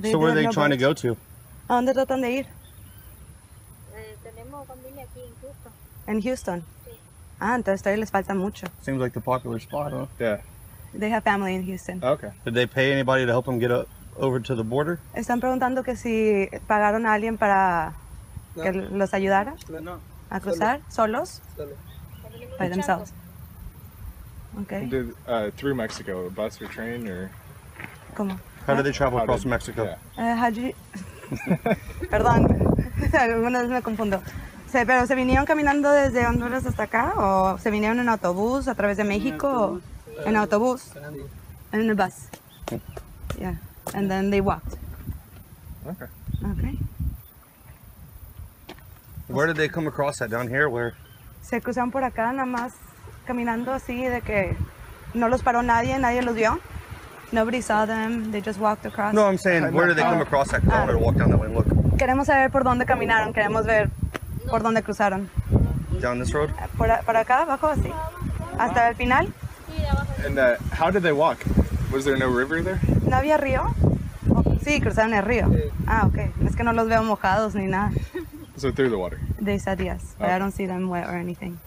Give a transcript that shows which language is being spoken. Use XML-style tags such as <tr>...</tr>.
<en>so where are they trying to go to?</en> <es>¿A dónde tratan de ir? Tenemos familia aquí en Houston. ¿En Houston? Sí. Ah, entonces todavía les falta mucho.</es> <en>Seems like the popular spot, huh? Yeah. They have family in Houston. Okay. Did they pay anybody to help them get over to the border?</en> <es>Están preguntando que si pagaron a alguien para no. que los ayudara no. a cruzar solos. Solo.</es> <en>By themselves. Okay. Did, through Mexico, a bus or train or?</en> <es>¿Cómo?</es> <en>How do they travel across Mexico? Yeah. How do you...</en> <es>Perdón, alguna vez me confundo. Sí, pero ¿se vinieron caminando desde Honduras hasta acá? ¿O se vinieron en autobús a través de México? En autobús. En el bus.</es> <en>Yeah. And then they walked. Okay. Okay. Where did they come across that? Down here? Where?</en> <es>Se cruzaron por acá, nada más caminando así de que no los paró nadie, nadie los vio.</es> <en>Nobody saw them, they just walked across. No, I'm saying, where did they come across that? Because I wanted to walk down that way and look.</en> <es>Queremos saber por dónde caminaron, queremos ver por dónde cruzaron.</es> <en>Down this road?</en> <es>Por acá, abajo, así. Hasta el final.</es> <en>And how did they walk? Was there no river there?</en> <es>¿No había río? Oh, sí, cruzaron el río. Ah, okay. Es que no los veo mojados ni nada.</es> <en>So through the water? They said yes, but I don't see them wet or anything.</en>